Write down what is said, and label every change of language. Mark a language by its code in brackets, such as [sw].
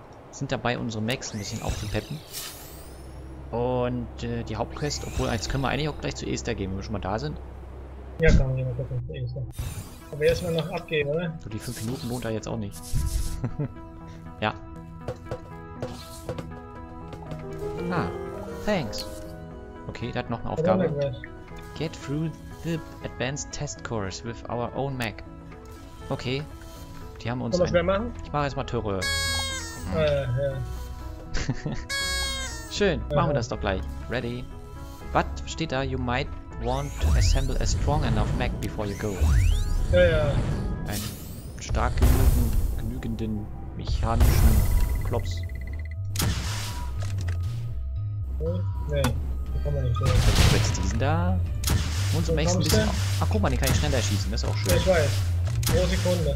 [de] Sind dabei, unsere Macs ein bisschen aufzupeppen. Und die Hauptquest, obwohl, jetzt können wir eigentlich auch gleich zu Esther gehen, wenn wir schon mal da sind. Ja, kann man gerne gucken, zu Esther. Aber erstmal noch abgeben, oder? So, die 5 Minuten lohnt da jetzt auch nicht. Ja. [en] Ah, thanks. [de] Okay, der hat noch eine Aufgabe. [en] Get through the advanced test course with our own Mac. [de] Okay. Die haben uns. Kann man schwer machen? Ich mache erstmal Töre. Ja. Schön, machen wir das doch gleich. [en] Ready. [de] Was steht da? [en] You might want to assemble a strong enough Mac before you go. [de] Ja, ja. Einen stark genügenden mechanischen Klops. Nee, kann man nicht. Du willst diesen da? Und zum nächsten bisschen. Ach guck mal, den kann ich schneller schießen, das ist auch schön. Ich weiß. Pro Sekunde.